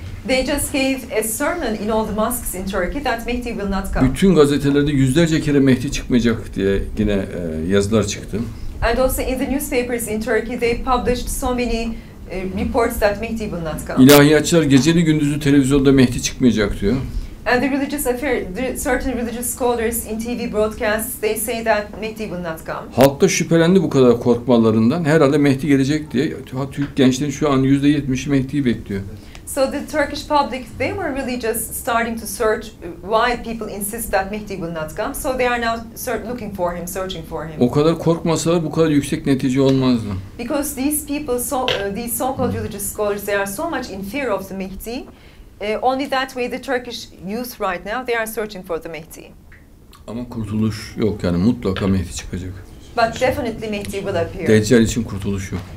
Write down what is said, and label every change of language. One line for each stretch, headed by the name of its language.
English: They just gave a sermon in all the mosques in Turkey that Mehdi will not come.
Turkish: Bütün gazetelerde yüzlerce kere Mehdi çıkmayacak diye yine yazılar çıktı.
English: And also in the newspapers in Turkey they published so many reports that Mehdi will not come.
Turkish: İlahiyatçılar geceli gündüzü televizyonda Mehdi çıkmayacak diyor.
English: And the religious affair, the certain religious scholars in TV broadcasts, they say that Mehdi will not come.
Turkish: Halk da şüphelendi bu kadar korkmalarından. Herhalde Mehdi gelecek diye. Türk gençlerin şu an %70'i Mehdi'yi bekliyor.
English: So the Turkish public, they were really just starting to search why people insist that Mehdi will not come. So they are now looking for him, searching for him.
Turkish: O kadar korkmasalar bu kadar yüksek netice olmazdı.
English: Because these people, these so-called religious scholars, they are so much in fear of the Mehdi. Only that way the Turkish youth right now, they are searching for the Mehdi.
Turkish: Ama kurtuluş yok yani, mutlaka Mehdi çıkacak.
English: But definitely Mehdi will appear.
Turkish: Deccal için kurtuluş yok.